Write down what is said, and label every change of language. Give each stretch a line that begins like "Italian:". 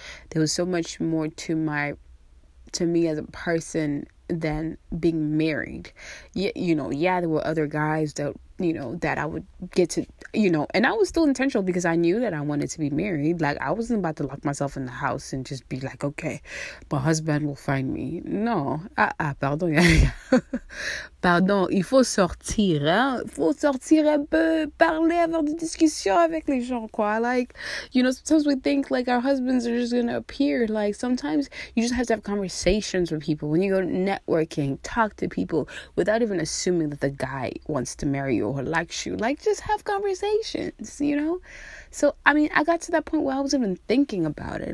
English: There was so much more to me as a person than being married. Yeah, there were other guys that, you know, that I would get to, you know, and I was still intentional because I knew that I wanted to be married. Like, I wasn't about to lock myself in the house and just be like, okay, my husband will find me.
French: No, pardon. Pardon, il faut sortir, hein? Il faut sortir un peu, parler, avoir des discussions avec les gens, quoi.
English: Like, you know, sometimes we think, like, our husbands are just gonna appear. Like, sometimes you just have to have conversations with people. When you go networking, talk to people without even assuming that the guy wants to marry you or likes you. Like, just have conversations, you know? So, I mean, I got to that point where I was even thinking about it.